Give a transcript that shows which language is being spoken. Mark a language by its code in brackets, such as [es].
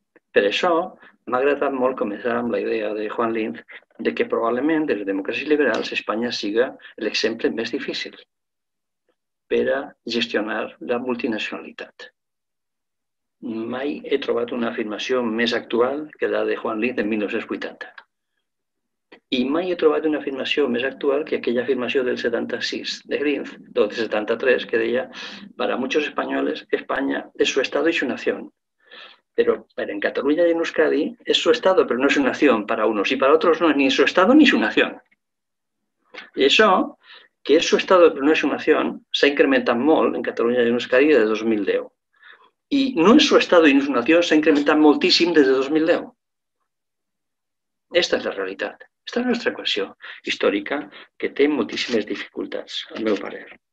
[ca] Per això m'ha agradat molt començar amb la idea de Juan Linz de que probablement de les democràcies liberals Espanya siga l'exemple més difícil per a gestionar la multinacionalitat. Mai he trobat una afirmació més actual que la de Juan Linz en 1980. I mai he trobat una afirmació més actual que aquella afirmació del 76 de Grimm, o del 73, que deia [es] para muchos españoles, España es su estado y su nación. Pero en Cataluña y en Euskadi es su estado, pero no es su nación para unos. Y para otros no es ni su estado ni su nación. [ca] I això, que és [es] su estado [ca] però no és [es] su nación, [ca] s'ha incrementat molt en Cataluña i en Euskadi des de 2010. I no és [es] su estado [ca] i no és [es] su nación, [ca] s'ha incrementat moltíssim des de 2010. Aquesta és la realitat. Aquesta és la nostra equació històrica que té moltíssimes dificultats, al meu parer.